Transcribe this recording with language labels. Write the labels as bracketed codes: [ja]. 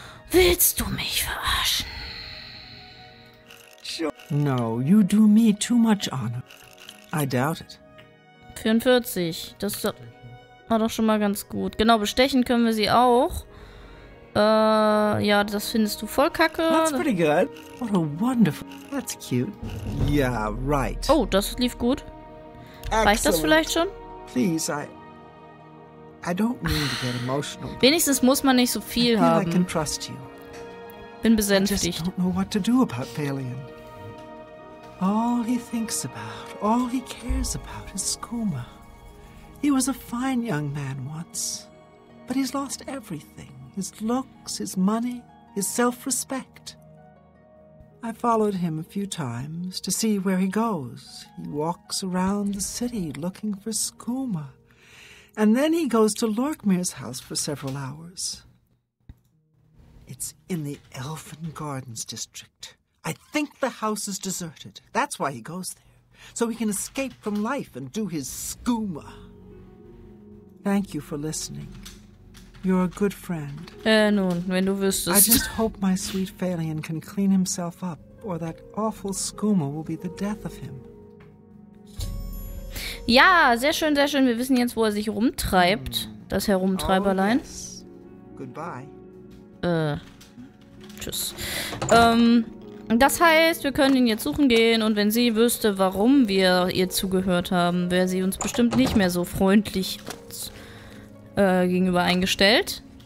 [de] Willst du mich verarschen? [en] No, you do me too much honor. I doubt it. 44. [de] Das war doch schon mal ganz gut. Genau, bestechen können wir sie auch. Ja, das findest du voll kacke. [en] That's pretty good. What a wonderful. That's cute. Yeah, right. [de] Oh, das lief gut. [en] Excellent. [de] Reicht das vielleicht schon? [en] Please, I don't mean to get emotional. [de] Wenigstens muss man nicht so viel [en] I feel [de] haben. [en] I can trust you. [de] Bin besänftigt. [en] I just don't know what to do about Valian. All he thinks about, all he cares about is Skooma. He was a fine young man once, but he's lost everything. His looks, his money, his self-respect. I followed him a few times to see where he goes. He walks around the city looking for Skooma. And then he goes to Lorkmir's house for several hours. It's in the Elfin Gardens district. I think the house is deserted. That's why he goes there. So he can escape from life and do his Skooma. Thank you for listening. You're a good friend. [de] Nun, wenn du wüsstest. [en] I just hope my sweet Phelan can clean himself up, or that awful Skooma will be the death of him. [de] Ja, sehr schön, sehr schön. Wir wissen jetzt, wo er sich rumtreibt. Das Herumtreiberlein. [en] Oh, yes. Goodbye. [de] Tschüss. Das heißt, wir können ihn jetzt suchen gehen und wenn sie wüsste, warum wir ihr zugehört haben, wäre sie uns bestimmt nicht mehr so freundlich gegenüber eingestellt.